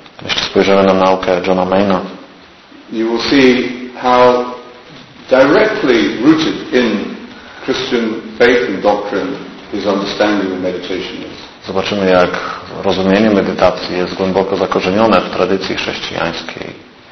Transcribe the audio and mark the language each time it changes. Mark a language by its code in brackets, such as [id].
[pl] jeśli spojrzymy na naukę Johna Maina, [en] you will see how directly rooted in Christian faith and doctrine his understanding of meditation is. [pl] Zobaczymy, jak rozumienie medytacji jest głęboko zakorzenione w tradycji chrześcijańskiej.